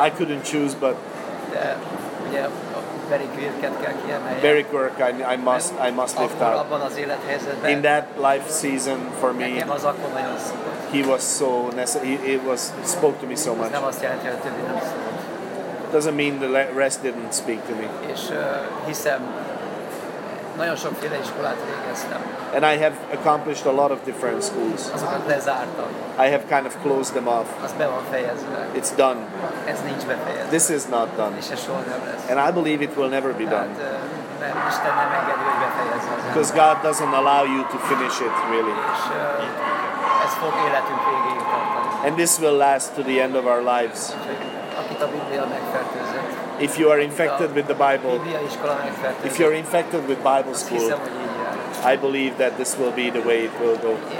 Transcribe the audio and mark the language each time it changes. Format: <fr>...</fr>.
<en>I couldn't choose, but... Yeah,</en> <hu>Berik Virket kell kiemelni. Berik Virket,</hu> <en>I must lift up.</en> <hu>Abban az élethelyzetben.</hu> <en>In that life season for me.</en> <hu>Nekem az akkor nagyon szólt.</hu> <en>He was so spoke to me so much.</en> <hu>Nem azt jelenti, hogy a többi nem szólt.</hu> <en>Doesn't mean the rest didn't speak to me.</en> <hu>És hiszem, nagyon sokféle iskolát végeztem.</hu> <en>And I have accomplished a lot of different schools.</en> <hu>Azokat lezártam.</hu> <en>I have kind of closed them off.</en> <hu>Az be van fejezve.</hu> <en>It's done.</en> <hu>Ez nincs befejezve.</hu> <en>This is not done.</en> <hu>És ez soha nem lesz.</hu> <en>And I believe it will never be done.</en> <hu>Mert Isten nem engedi, hogy befejezze.</hu> <en>Because God doesn't allow you to finish it, really.</en> <hu>És ez fog életünk végéig tartani.</hu> <en>And this will last to the end of our lives.</en> <hu>Akit a Biblia megfertőzött.</hu> <en>If you are infected with the Bible.</en> <hu>Biblia iskola megfertőzött.</hu> <en>If you are infected with Bible school. I believe that this will be the way it will go.</en>